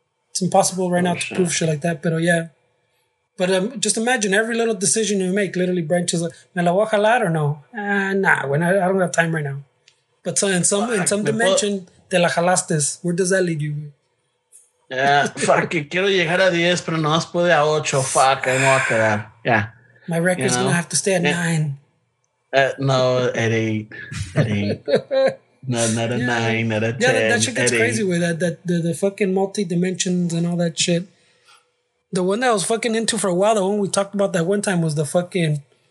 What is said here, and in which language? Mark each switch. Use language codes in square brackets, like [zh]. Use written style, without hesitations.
[en] It's impossible now to prove shit like that, [es] pero [en] yeah. But just imagine every little decision you make literally branches. [es] Me la voy a jalar [en] or no? Nah, I don't have time right now. But so in some dimension, [es] te la jalaste. [en] Where does that lead you? Yeah, fuck it. [es] Quiero llegar a 10, pero no más pude a 8. [en] Fuck, I'm not gonna. Yeah. My record's gonna have to stay at 9. No, at 8. At 8. not a 9, not a 10. Yeah, that shit gets crazy with that. The fucking multi dimensions and all that shit. The one that I was fucking into for a while, the one we talked about that one time was the fucking.